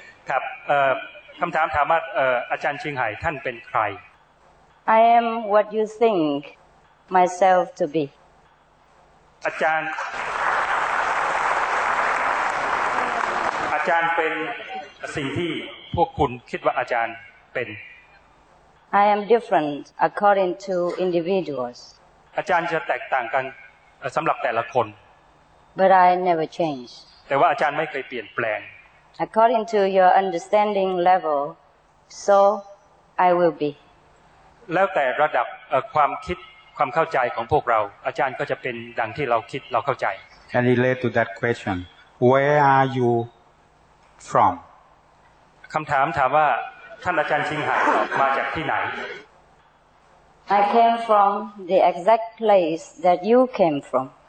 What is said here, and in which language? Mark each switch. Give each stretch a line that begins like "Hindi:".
Thai: ครับคำถามถามว่าอาจารย์ชิงไห่ท่านเป็นใคร
English: I am what you think myself to be
Thai: อาจารย์เป็นสิ่งที่พวกคุณคิดว่าอาจารย์เป็น
English: I am different according to individuals
Thai: อาจารย์จะแตกต่างกันสำหรับแต่ละคน
English: But I never change
Thai: แต่ว่าอาจารย์ไม่เคยเปลี่ยนแปลง
English: According to your understanding level, so I will be.
Thai: แล้วแต่ระดับความคิดความเข้าใจของพวกเราอาจารย์ก็จะเป็นดังที่เราคิดเราเข้าใจ
English: Can relate to that question. Where are you from?
Thai: คำถามถามว่าท่านอาจารย์ชิงหายมาจากที่ไหน
English: I came from the exact place that you came from.